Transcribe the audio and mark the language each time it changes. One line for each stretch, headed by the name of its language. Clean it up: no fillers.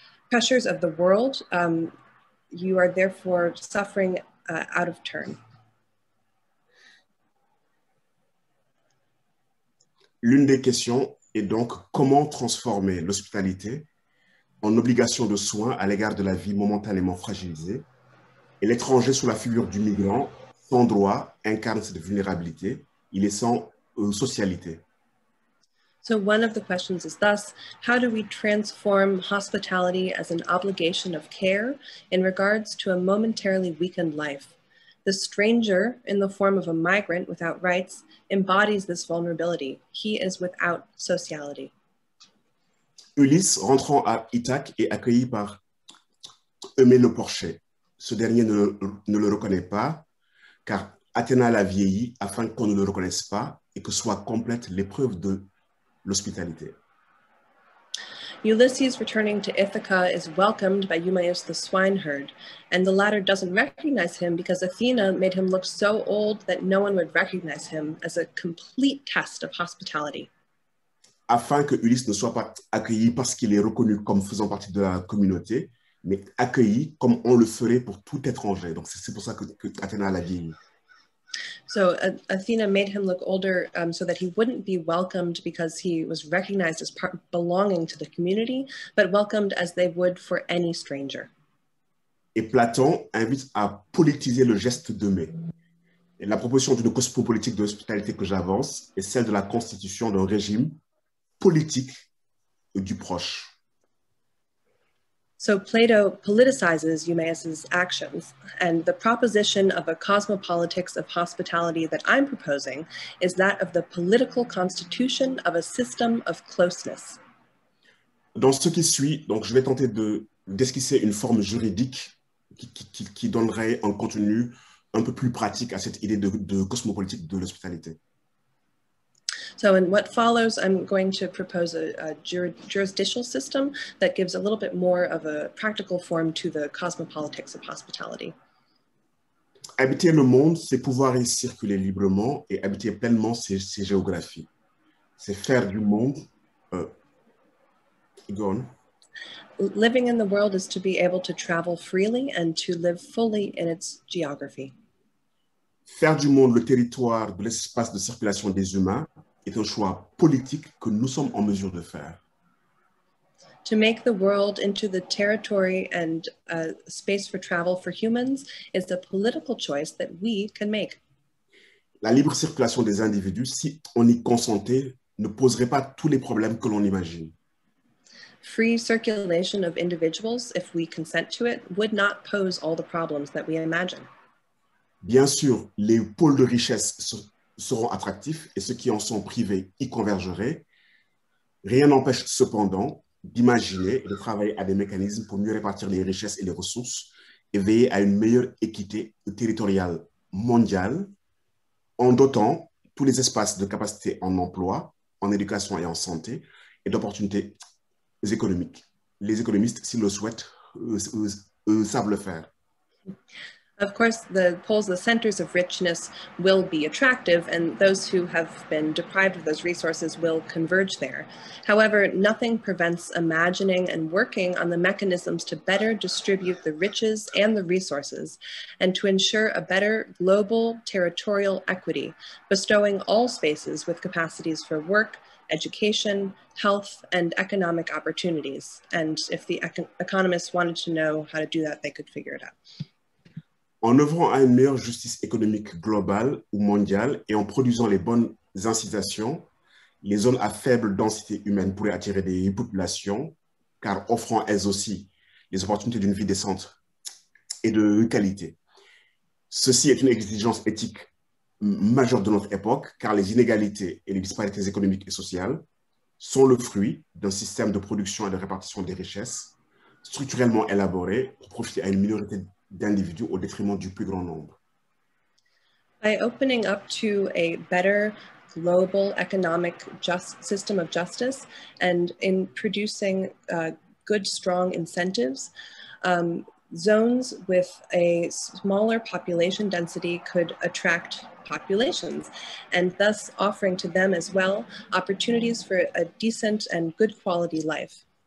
English: Pressures of the world, you are therefore suffering out of turn.
French: L'une des questions est donc comment transformer l'hospitalité en obligation de soins à l'égard de la vie momentanément fragilisée. Et l'étranger sous la figure du migrant, sans droit, incarne cette vulnérabilité. Il est sans socialité.
English: So one of the questions is thus, how do we transform hospitality as an obligation of care in regards to a momentarily weakened life? The stranger, in the form of a migrant without rights, embodies this vulnerability. He is without sociality.
French: Ulysse, rentrant à Ithaque, est accueilli par Eumène le Porcher. Ce dernier ne le reconnaît pas, car Athéna l'a vieilli afin qu'on ne le reconnaisse pas et que soit complète l'épreuve de l'hospitalité.
English: Ulysses returning to Ithaca is welcomed by Eumaeus the swineherd, and the latter doesn't recognize him because Athena made him look so old that no one would recognize him as a complete test of hospitality.
French: Afin que Ulysse ne soit pas accueilli parce qu'il est reconnu comme faisant partie de la communauté, mais accueilli comme on le ferait pour tout étranger. Donc c'est pour ça que Athéna l'a vieilli.
English: So Athena made him look older so that he wouldn't be welcomed because he was recognized as belonging to the community, but welcomed as they would for any stranger.
French: Et Platon invite à politiser le geste de mai. Et la proposition d'une cosmopolitique de l'hospitalité que j'avance est celle de la constitution d'un régime politique du proche.
English: So Plato politicizes Eumaeus's actions, and the proposition of a cosmopolitics of hospitality that I'm proposing is that of the political constitution of a system of closeness.
French: Dans ce qui suit, donc je vais tenter de d'esquisser une forme juridique qui donnerait un contenu un peu plus pratique à cette idée de cosmopolitique de l'hospitalité.
English: So in what follows, I'm going to propose a jurisdictional system that gives a little bit more of a practical form to the cosmopolitics of hospitality.
French: Habiter le monde, c'est pouvoir y circuler librement et habiter pleinement ses géographies. C'est faire du monde
English: Go on. Living in the world is to be able to travel freely and to live fully in its geography.
French: Faire du monde le territoire de l'espace de circulation des humains est un choix politique que nous sommes en mesure de faire.
English: To make the world into the territory and a space for travel for humans is a political choice that we can make.
French: La libre circulation des individus, si on y consentait, ne poserait pas tous les problèmes que l'on imagine.
English: Free circulation of individuals, if we consent to it, would not pose all the problems that we imagine.
French: Bien sûr, les pôles de richesse seront attractifs et ceux qui en sont privés y convergeraient. Rien n'empêche cependant d'imaginer et de travailler à des mécanismes pour mieux répartir les richesses et les ressources et veiller à une meilleure équité territoriale mondiale en dotant tous les espaces de capacité en emploi, en éducation et en santé et d'opportunités économiques. Les économistes, s'ils le souhaitent, savent le faire.
English: Of course, the poles, the centers of richness will be attractive and those who have been deprived of those resources will converge there. However, nothing prevents imagining and working on the mechanisms to better distribute the riches and the resources and to ensure a better global territorial equity, bestowing all spaces with capacities for work, education, health, and economic opportunities. And if the economists wanted to know how to do that, they could figure it out.
French: En œuvrant à une meilleure justice économique globale ou mondiale et en produisant les bonnes incitations, les zones à faible densité humaine pourraient attirer des populations, car offrant elles aussi les opportunités d'une vie décente et de qualité. Ceci est une exigence éthique majeure de notre époque, car les inégalités et les disparités économiques et sociales sont le fruit d'un système de production et de répartition des richesses structurellement élaboré pour profiter à une minorité d'individus au détriment du plus grand nombre.
English: By opening up to a better global economic just system of justice and in producing good strong incentives, zones with a smaller population density could attract populations and thus offering to them as well opportunities for a decent and good quality life.